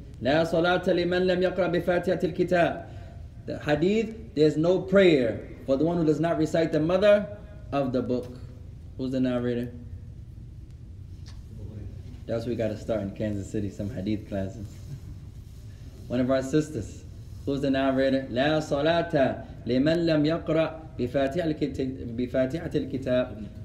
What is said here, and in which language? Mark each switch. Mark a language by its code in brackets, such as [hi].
[ar] لا صلاة لمن لم يقرأ بفاتحة الكتاب. [en] The hadith, there's no prayer for the one who does not recite the mother of the book. Who's the narrator? That's where we got to start in Kansas City, some hadith classes. One of our sisters. Who's the narrator? [ar] لا صلاة لمن لم يقرأ بفاتحة الكتاب.